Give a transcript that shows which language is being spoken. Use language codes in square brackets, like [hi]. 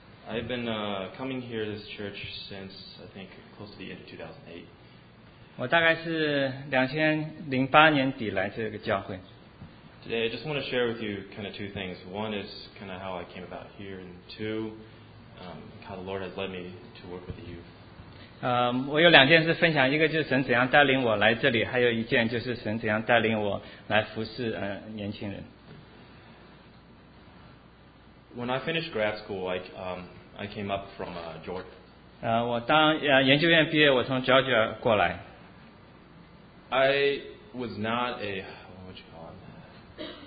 [en] I've been coming here to this church since I think close to the end of 2008. [zh] 我大概是2008年底来这个教会。 [en] Today I just want to share with you kind of two things. One is kind of how I came about here, and two. How the Lord has led me to work with the youth. [zh] 我有两件事分享，一个就是神怎样带领我来这里，还有一件就是神怎样带领我来服侍年轻人。 [en] When I finished grad school, I came up from Georgia. [zh] 我当研究院毕业，我从 Georgia 过来。 [en] I was not a what you call it.